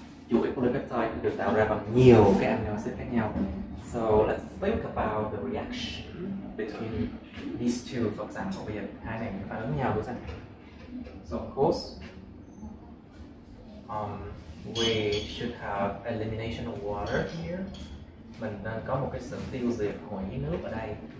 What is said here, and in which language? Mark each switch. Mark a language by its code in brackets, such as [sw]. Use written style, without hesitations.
[vi] Chuỗi polypeptide được tạo ra bằng nhiều cái amino acid khác nhau. [en] So let's think about the reaction between these two, for example. We have [vi] hai này phản ứng nhau, đúng không? [en] So of course, we should have elimination of water here. [vi] Mình nên có một cái sự tiêu diệt khỏi nước ở đây.